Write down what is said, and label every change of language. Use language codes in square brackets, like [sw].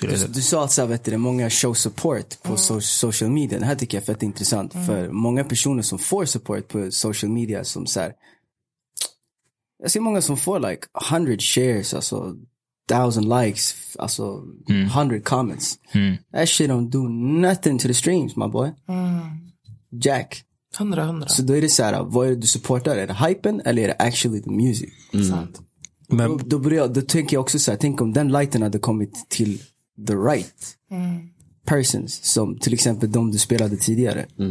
[sv] Du sa att så vet du, många [en] show support [sv] på social media. Det här tycker jag är fett intressant. Mm. För många personer som får support på social media som så här, jag ser många som får [en] like 100 shares, [sv] alltså 1000 likes, alltså 100 comments. Mm. [en] That shit don't do nothing to the streams, my boy. [sv] Mm. Jack. 100-100. Så då är det så här, vad är det du supportar? Är det hypen eller är det [en] actually the music? [sv] Mm. Sant. Men då tänker jag också så här, tänk om den lighten hade kommit till [en] the right persons, [sv] som till exempel de du spelade tidigare.